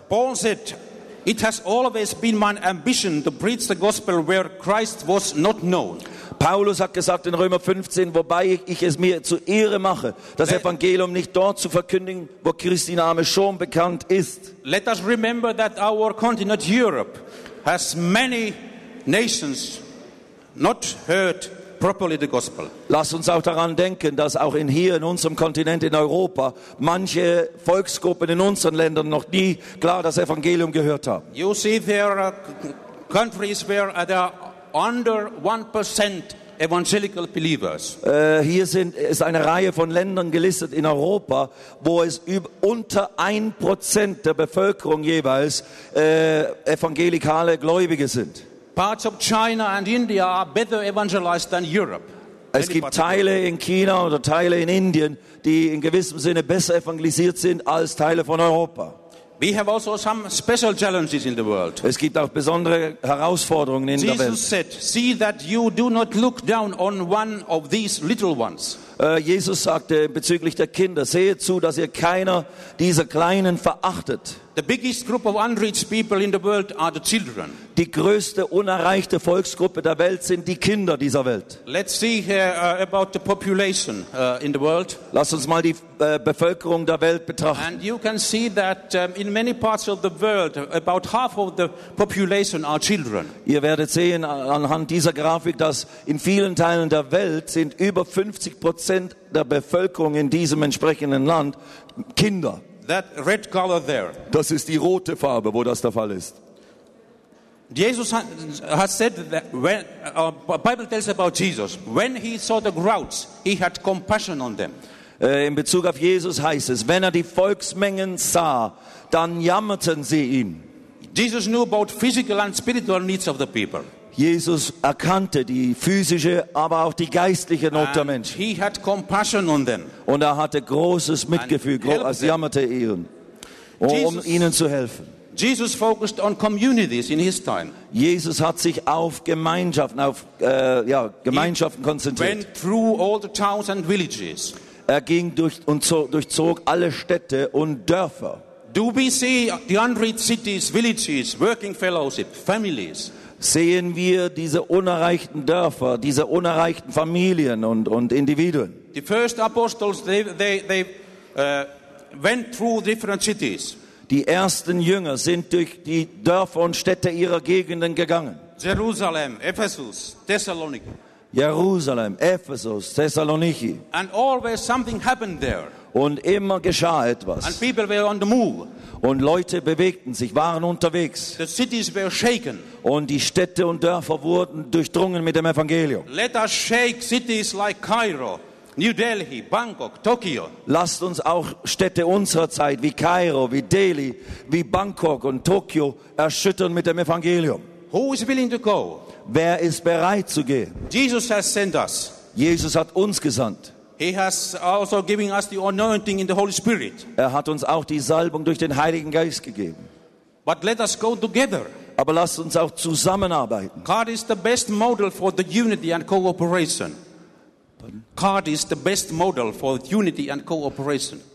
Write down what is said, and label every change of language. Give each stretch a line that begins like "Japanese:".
English: Paul said, it has always been my ambition to preach the gospel where Christ was not known.
German: Paulus hat gesagt in Römer 15, wobei ich es mir zu Ehre mache, das Evangelium nicht dort zu verkündigen, wo Christi Name schon bekannt ist.
English: Let us remember that our continent Europe has many nations not heard properly the gospel.
German: Lass uns auch daran denken, dass auch in hier in unserem Kontinent in Europa manche Volksgruppen in unseren Ländern noch nie klar das Evangelium gehört haben.
English: You see there are countries where there are under 1% evangelical believers.
German: Hier ist eine Reihe von Ländern gelistet in Europa, wo es unter 1% der Bevölkerung jeweils evangelikale Gläubige sind.
English: Parts of China and India are better evangelized than Europe.
German: Es gibt Teile in China oder Teile in Indien, die in gewissem Sinne besser evangelisiert sind als Teile von Europa.
English: We have also some special challenges in the world.
German: Es gibt auch besondere Herausforderungen in
English: Jesus
German: der Welt.
English: Jesus said, "See that you do not look down on one of these little ones."
German: Jesus sagte bezüglich der Kinder, sehet zu, dass ihr keiner dieser Kleinen verachtet.
English: The biggest group of unreached people in the world are the children.
German: Die größte unerreichte Volksgruppe der Welt sind die Kinder dieser Welt.
English: Let's see here about the population in the world.
German: Lass uns mal die Bevölkerung der Welt betrachten.
English: And you can see that in many parts of the world about half of the population are children.
German: Ihr werdet sehen anhand dieser Grafik, dass in vielen Teilen der Welt sind über 50% der Bevölkerung in diesem entsprechenden Land Kinder.
English: That red color there.
German: Das ist die rote Farbe, wo das der Fall ist.
English: Jesus has said that when Bible tells about Jesus, when he saw the crowds, he had compassion on them.
German: In Bezug auf Jesus heißt es, wenn die Volksmengen sah, dann jammerten sie ihn.
English: Jesus knew about physical and spiritual needs of the people.
German: Jesus erkannte die physische, aber auch die geistliche Not der Menschen.
English: He had compassion on them.
German: Und hatte großes Mitgefühl, als jammerte ihnen, ihnen zu helfen.
English: Jesus focused on communities in his time.
German: Jesus hat sich auf Gemeinschaften, Gemeinschaften konzentriert.
English: Went through all the towns and villages.
German: Er ging durchzog alle Städte und Dörfer.
English: Do we see the unreached cities, villages, working fellowship, families?
German: Sehen wir diese unerreichten Dörfer, diese unerreichten Familien und Individuen?
English: The first apostles they went through different cities.
German: Die ersten Jünger sind durch die Dörfer und Städte ihrer Gegenden gegangen.
English: Jerusalem, Ephesus, Thessaloniki.
German: Jerusalem, Ephesus, Thessaloniki.
English: And always something happened there.
German: Und immer geschah etwas.
English: And people were on the move.
German: Und Leute bewegten sich, waren unterwegs.
English: The cities were shaken.
German: Und die Städte und Dörfer wurden durchdrungen mit dem Evangelium.
English: Let us shake cities like Cairo, New Delhi, Bangkok, Tokyo.
German: Lasst uns auch Städte unserer Zeit wie Kairo, wie Delhi, wie Bangkok und Tokio erschüttern mit dem Evangelium.
English: Who is willing to go?
German: Wer ist bereit zu gehen?
English: Jesus has sent us.
German: Jesus hat uns gesandt.
English: He has also given us the anointing in the Holy Spirit.
German: Er hat uns auch die Salbung durch den Heiligen Geist gegeben.
English: But let us go together.
German: Aber lasst uns auch zusammenarbeiten.
English: God is the best model for the unity and cooperation. God is the best model for unity and cooperation.